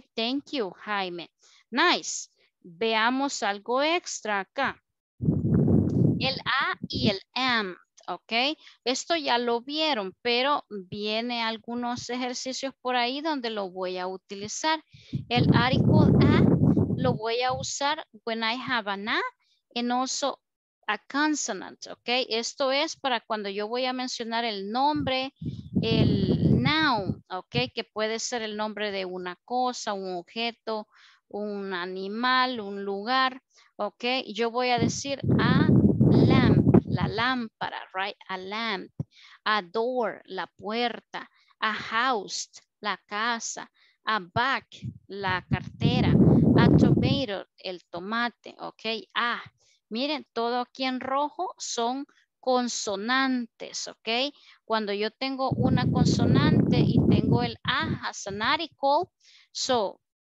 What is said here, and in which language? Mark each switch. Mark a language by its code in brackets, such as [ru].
[en] Thank you, Jaime. Nice. [es] Veamos algo extra acá. el A y el M. Ok, esto ya lo vieron, pero viene algunos ejercicios por ahí donde lo voy a utilizar. [en] El article A [es] lo voy a usar [en] when I have an A and also a consonant. [es] Ok, esto es para cuando yo voy a mencionar el nombre, el noun, ok, que puede ser el nombre de una cosa, un objeto, un animal, un lugar. Ok, yo voy a decir a lamp, la lámpara, right, a lamp, a door, la puerta, a house, la casa, a bag, la cartera, a tomato, el tomate, ok, a, miren, todo aquí en rojo son consonantes, ok, cuando yo tengo una consonante y tengo el a [en] as an article, [es] so,